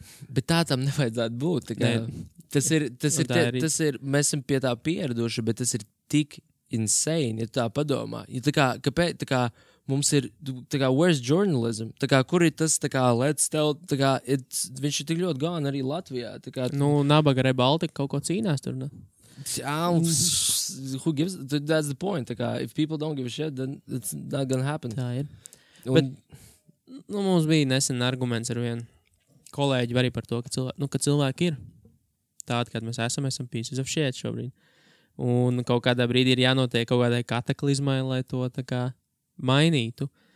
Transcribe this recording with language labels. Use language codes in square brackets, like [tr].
[lv] Bet tā tam nevajadzētu būt. Tā kā. Nē. Tas ir, tas ir, tie, tas ir, mēs esam pie tā pieraduši, bet tas ir tik insane, ja tu tā padomā. Ja tā kā, kāpēc, tā kā, mums ir, tā kā, [en] where's journalism? [lv] Tā kā, kur ir tas, tā kā, [en] let's tell, [lv] tā kā, it's, viņš ir tik ļoti gone arī Latvijā. Tā kā, nu, Nabaga Rebaltika kaut ko cīnās tur, ne? [en] Who gives, that's the point, [lv] tā kā, [en] if people don't give a shit, then it's not gonna happen. [lv] Tā ir. Un, bet, nu, mums bija nesen arguments ar vienu kolēģi arī par to, ka cilvēki, nu, ka cilvēki ir tādi, kad mēs esam [en] pieces of shit [lv] šobrīd. Un kaut kādā brīdī ir jānotiek kaut kādai kataklizmai, lai to tā kā mainītu.